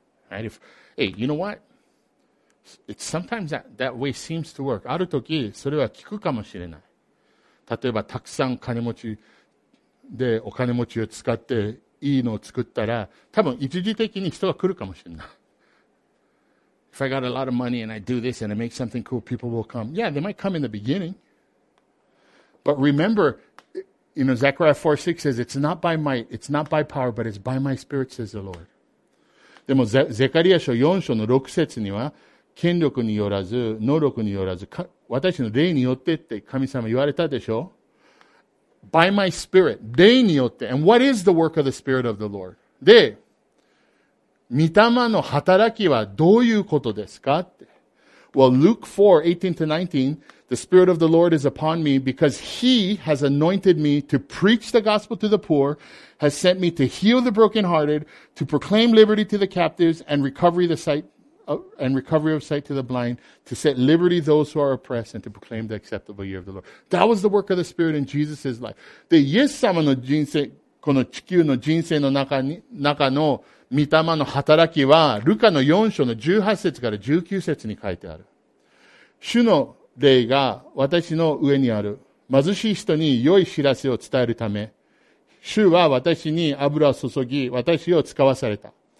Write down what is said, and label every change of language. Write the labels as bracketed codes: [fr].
[en] Right? If, hey, you know what? It's sometimes that way seems to work. [ja] ある時それは効くかもしれない。例えばたくさん金持ちで、お金持ちを使っていいのを作ったら、多分一時的に人が来るかもしれない。 [en] If I got a lot of money and I do this and I make something cool, people will come. Yeah, they might come in the beginning. But remember, you know, Zechariah 4:6 says, it's not by might, it's not by power, but it's by my spirit, says the Lord. [ja] でも、ゼカリア書4章の6節には、権力によらず、能力によらず、私の霊によってって神様言われたでしょ? [en] By my spirit, [ja] 霊によって。 [en] And what is the work of the spirit of the Lord? [ja] で、御霊の働きはどういうことですかって。 [en] Well, Luke 4, 18 to 19, the Spirit of the Lord is upon me because He has anointed me to preach the gospel to the poor, has sent me to heal the brokenhearted, to proclaim liberty to the captives and recovery of the sight and recovery of sight to the blind, to set liberty those who are oppressed, and to proclaim the acceptable year of the Lord. That was the work of the Spirit in Jesus' life. [ja] で、イエス様の人生、この地球の人生の中に、中の御霊の働きは、ルカの4章の18節から19節に書いてある。主の霊が私の上にある。貧しい人に良い知らせを伝えるため、主は私に油を注ぎ、私を使わされた。